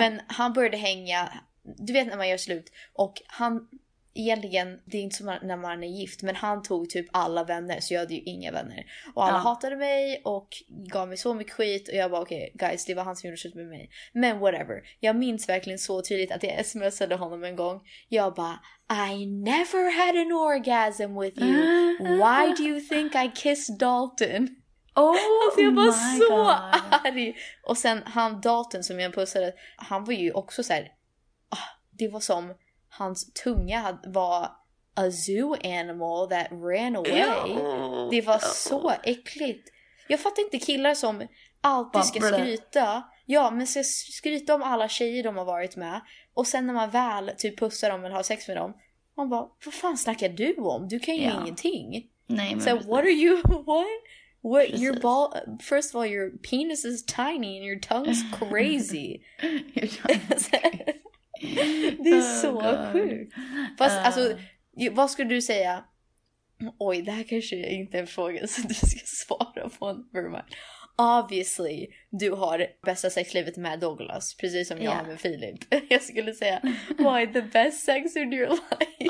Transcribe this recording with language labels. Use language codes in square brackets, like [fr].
[sv] Men han började hänga, du vet när man gör slut. Och han... Egentligen, det är inte som när man är gift, men han tog typ alla vänner, så jag hade ju inga vänner. Och alla hatade mig och gav mig så mycket skit. Och jag bara, okej, guys, det var han som gjorde slut med mig. Men whatever. Jag minns verkligen så tydligt att jag smsade honom en gång. Jag bara, [en] I never had an orgasm with you. Why do you think I kissed Dalton? [sv] Alltså jag var så arg. Och sen han, Dalton, som jag pussade, han var ju också så här, det var som... Hans tunga var [en] a zoo animal that ran away. [sv] Det var så äckligt. Jag fattar inte killar som alltid ska skryta. Ja, men ska skryta om alla tjejer de har varit med. Och sen när man väl typ pussar dem eller har sex med dem. Man bara, vad fan snackar du om? Du kan ju ingenting. Nej, men så precis. [en] What are you, what your ball, first of all, your penis is tiny and your tongue's crazy. Your tongue's crazy. [sv] Det är så sjukt. Fast alltså, vad skulle du säga? Oj, det här kanske är inte en fråga så du ska svara på. Obviously, du har bästa sexlivet med Douglas, precis som jag har med Filip. Jag skulle säga, [en] why the best sex in your life?